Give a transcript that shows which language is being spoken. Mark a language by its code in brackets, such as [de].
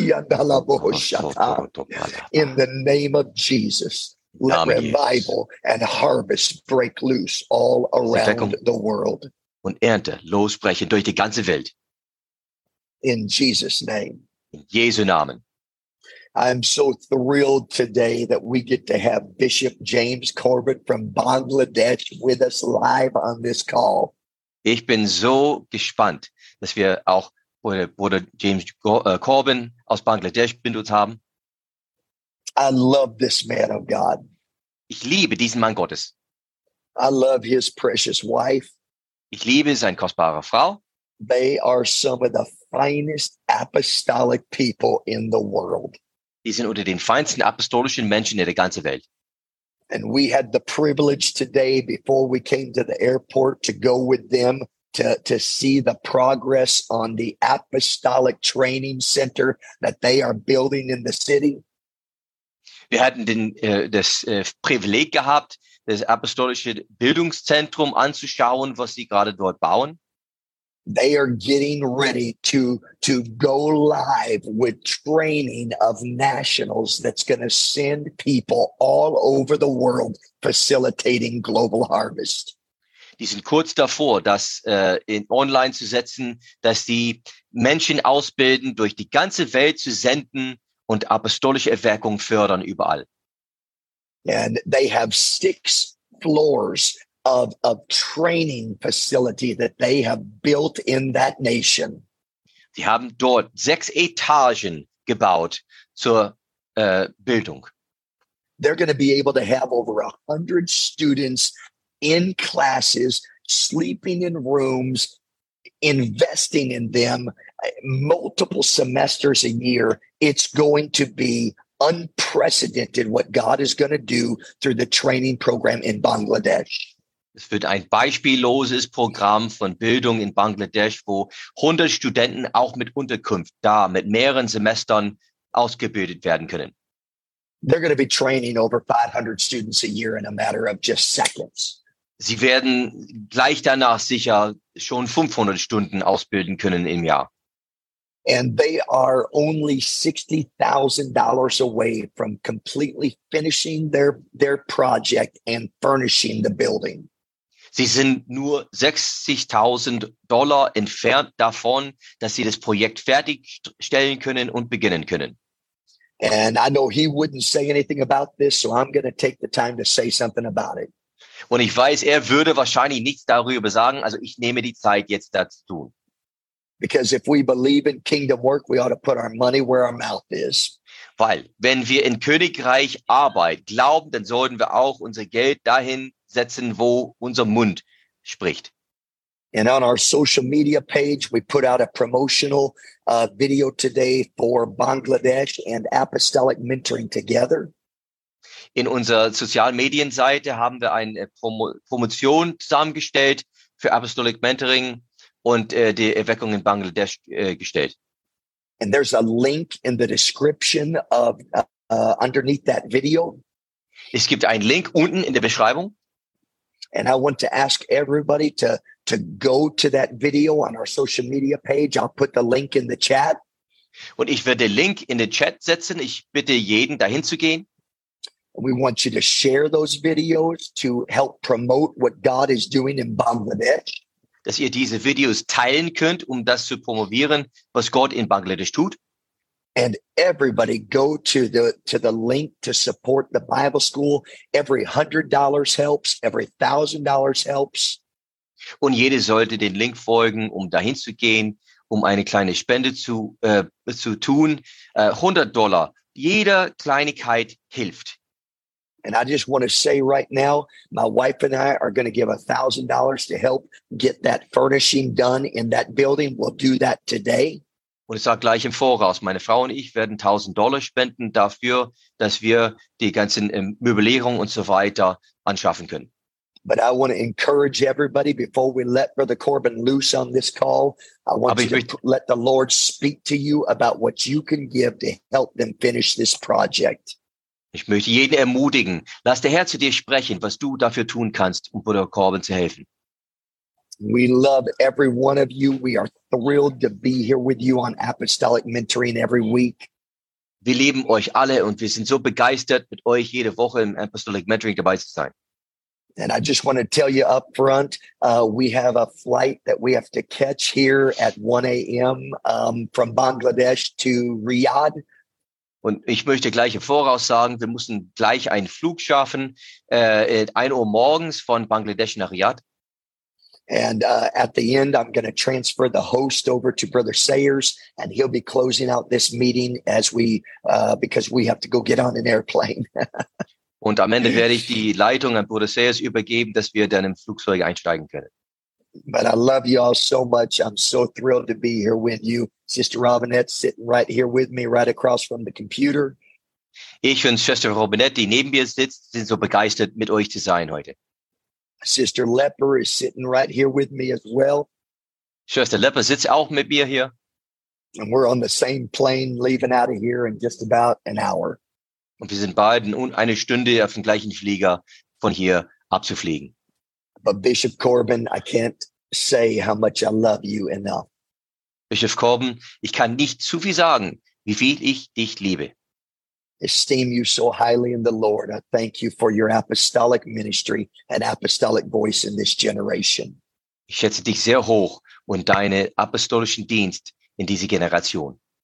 [en] In the name of Jesus, let revival and harvest break loose all around the world. [de] Und Ernte losbrechen durch die ganze Welt. [en] In Jesus' name. [de] In Jesu Namen. [en] I'm so thrilled today that we get to have Bishop James Corbett from Bangladesh with us live on this call. [de] Ich bin so gespannt, dass wir auch Bruder James Corbett aus Bangladesch mit uns haben. [en] I love this man of God. [de] Ich liebe diesen Mann Gottes. [en] I love his precious wife. [de] Ich liebe seine kostbare Frau. [en] They are some of the finest apostolic people in the world. [de] Die sind unter den feinsten apostolischen Menschen in der ganzen Welt. [en] And we had the privilege today before we came to the airport to go with them to see the progress on the apostolic training center that they are building in the city. [de] Wir hatten Privileg gehabt, das apostolische Bildungszentrum anzuschauen, was sie gerade dort bauen. [en] They are getting ready to go live with training of nationals that's going to send people all over the world facilitating global harvest. [de] Die sind kurz davor, das in online zu setzen, dass die Menschen ausbilden, durch die ganze Welt zu senden und apostolische Erweckung fördern überall. [en] And they have 6 floors of training facility that they have built in that nation. [de] Sie haben dort 6 Etagen gebaut zur Bildung. [en] They're going to be able to have over 100 students in classes, sleeping in rooms, investing in them multiple semesters a year. It's going to be unprecedented what God is going to do through the training program in Bangladesh. [de] Es wird ein beispielloses Programm von Bildung in Bangladesch, wo 100 Studenten auch mit Unterkunft da, mit mehreren Semestern ausgebildet werden können. [en] They're going to be training over 500 students a year in a matter of just seconds. [de] Sie werden gleich danach sicher schon 500 Stunden ausbilden können im Jahr. [en] And they are only $60,000 away from completely finishing their project and furnishing the building. [de] Sie sind nur $60,000 entfernt davon, dass sie das Projekt fertigstellen können und beginnen können. [en] And I know he wouldn't say anything about this, so I'm going to take the time to say something about it. [de] Und ich weiß, er würde wahrscheinlich nichts darüber sagen, also ich nehme die Zeit jetzt dazu. [en] Because if we believe in kingdom work, we ought to put our money where our mouth is. [de] Weil wenn wir in Königreich Arbeit glauben, dann sollten wir auch unser Geld dahin setzen, wo unser Mund spricht. [en] And on our social media page, we put out a promotional video today for Bangladesh and Apostolic Mentoring Together. [de] In unserer sozialen Medienseite haben wir eine Promotion zusammengestellt für Apostolic Mentoring und die Erweckung in Bangladesch gestellt. [en] And there's a link in the description of underneath that video. [de] Es gibt einen Link unten in der Beschreibung. [en] And I want to ask everybody to go to that video on our social media page. I'll put the link in the chat. [de] Und ich werde den Link in den Chat setzen. Ich bitte jeden, dahin zu gehen. [en] We want you to share those videos to help promote what God is doing in Bangladesh. [de] Dass ihr diese Videos teilen könnt, um das zu promovieren, was Gott in Bangladesch tut. [en] And everybody go to the link to support the Bible school. Every $100 helps. Every $1,000 helps. [de] Und jede sollte den Link folgen, um dahin zu gehen, um eine kleine Spende zu tun. $100. Jeder Kleinigkeit hilft. [en] And I just want to say right now, my wife and I are going to give $1,000 to help get that furnishing done in that building. We'll do that today. [de] Und ich sage gleich im Voraus, meine Frau und ich werden $1,000 spenden dafür, dass wir die ganzen Möblierung und so weiter anschaffen können. [en] But I want to encourage everybody before we let Brother Corbin loose on this call. I want you to let the Lord speak to you about what you can give to help them finish this project. [de] Ich möchte jeden ermutigen, lass der Herr zu dir sprechen, was du dafür tun kannst, um Bruder Corbin zu helfen. [en] We love every one of you. We are thrilled to be here with you on Apostolic Mentoring every week. [de] Wir lieben euch alle und wir sind so begeistert, mit euch jede Woche im Apostolic Mentoring dabei zu sein. [en] And I just want to tell you up front, we have a flight that we have to catch here at 1 a.m. From Bangladesh to Riyadh. [de] Und ich möchte gleich im Voraus sagen, wir müssen gleich einen Flug schaffen, 1 Uhr morgens von Bangladesch nach Riyadh. [en] And at the end, I'm going to transfer the host over to Brother Sayers, and he'll be closing out this meeting as we, because we have to go get on an airplane. [de] Und am Ende werde ich die Leitung an Brother Sayers übergeben, dass wir dann im Flugzeug einsteigen können. [en] But I love you all so much. I'm so thrilled to be here with you. Sister Robinette sitting right here with me, right across from the computer. [de] Ich und Schwester Robinette, die neben mir sitzt, sind so begeistert, mit euch zu sein heute. [en] Sister Leper is sitting right here with me as well. [de] Schwester Leper sitzt auch mit mir hier. [en] And we're on the same plane leaving out of here in just about an hour. [de] Und wir sind beide eine Stunde auf dem gleichen Flieger von hier abzufliegen. [en] But Bishop Corbin, I can't say how much I love you enough. [de] Bischof Corbin, ich kann nicht zu viel sagen, wie viel ich dich liebe. [en] Esteem you so highly in the Lord. I thank you for your apostolic ministry and apostolic voice in this generation. [de] Ich schätze dich sehr hoch und deinen apostolischen Dienst in diese Generation.